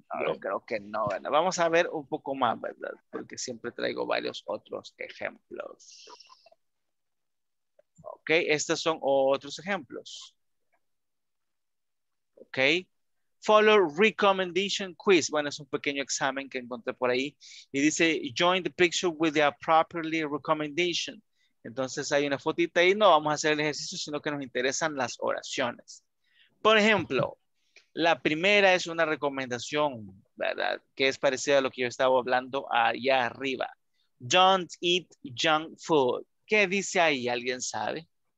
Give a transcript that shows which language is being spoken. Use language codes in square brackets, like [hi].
[es] yo creo que no, ¿verdad? Vamos a ver un poco más, ¿verdad? Porque siempre traigo varios otros ejemplos. Ok, estos son otros ejemplos. Ok, [en] follow recommendation quiz. [es] Bueno, es un pequeño examen que encontré por ahí. Y dice, [en] join the picture with the appropriately recommendation. [es] Entonces hay una fotita ahí. No vamos a hacer el ejercicio, sino que nos interesan las oraciones. Por ejemplo, la primera es una recomendación, ¿verdad? Que es parecida a lo que yo estaba hablando allá arriba. [en] Don't eat junk food. [es] ¿Qué dice ahí? ¿Alguien sabe?